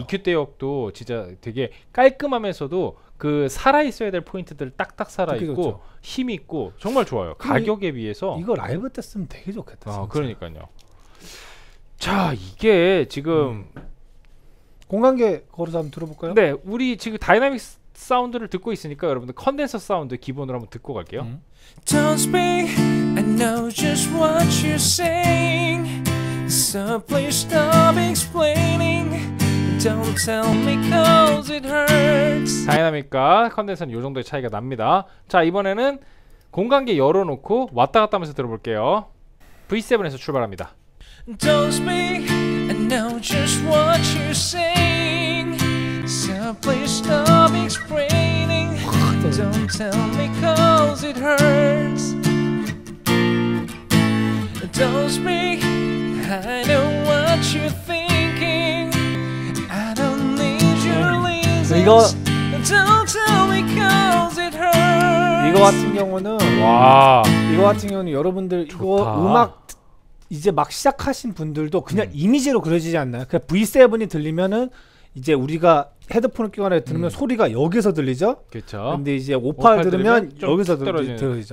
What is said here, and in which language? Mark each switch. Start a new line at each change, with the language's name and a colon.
Korean: EQ 대역도 진짜 되게 깔끔하면서도 그 살아있어야 될 포인트들 딱딱 살아있고 힘있고 정말 좋아요. 가격에 비해서 이거 라이브 때 쓰면 되게 좋겠다. 그러니까요. 자, 이게 지금 공간계 걸어서 한번 들어볼까요? 네, 우리 지금 다이나믹 사운드를 듣고 있으니까 여러분들 컨덴서 사운드 기본으로 한번 듣고 갈게요.
English: Don't speak, I know just what you're saying. So please stop explaining. Don't tell me cause it hurts.
Korean: 다이나믹과 컨덴서는 요 정도의 차이가 납니다. 자, 이번에는 공간계 열어놓고 왔다 갔다 하면서 들어볼게요. V7에서 출발합니다.
English: Don't speak and know just what you're saying. So please stop explaining. Don't tell me cause it hurts. Don't speak. I know what you're thinking. I don't need your reasons. Don't tell me cause it hurts.
Korean: 이거 같은 경우는 와 이거 같은 경우는 여러분들 좋다. 이거 음악 이제 막 시작하신 분들도 그냥 이미지로 그려지지 않나요? 그냥 V7이 들리면은 이제 우리가 헤드폰을 끼고 나서 들으면 소리가 여기서 들리죠? 그렇죠. 근데 이제 58 들으면 여기서 들리죠.